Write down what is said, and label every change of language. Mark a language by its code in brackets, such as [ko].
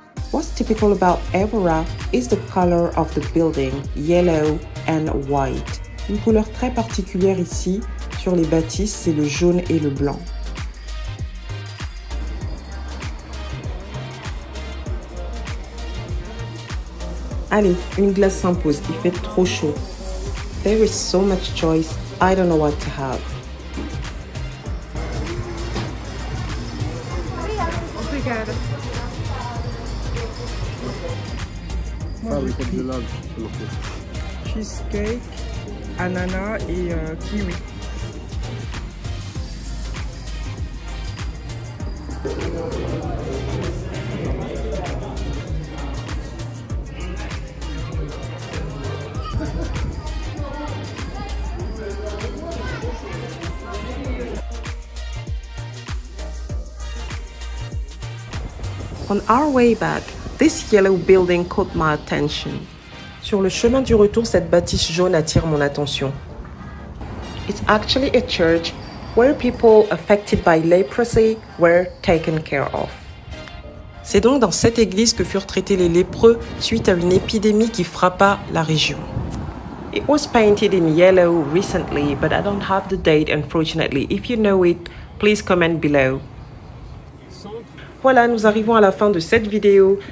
[en] What's typical about Évora is the color of the building, yellow and white. [fr] Une couleur très particulière ici sur les bâtisses, c'est le jaune et le blanc. Allez, une glace s'impose, il fait trop chaud. [en] There is so much choice, I don't know what to have. [fr] Cheesecake, ananas et kiwi. [en] On our way back, this yellow building caught my attention. [fr] Sur le chemin du retour, cette bâtisse jaune attire mon attention. [en] It's actually a church where people affected by leprosy were taken care of. [fr] C'est donc dans cette église que furent traités les lépreux suite à une épidémie qui frappa la région. [en] It was painted in yellow recently, but I don't have the date, unfortunately. If you know it, please comment below. [fr] Voilà, nous arrivons à la fin de cette vidéo.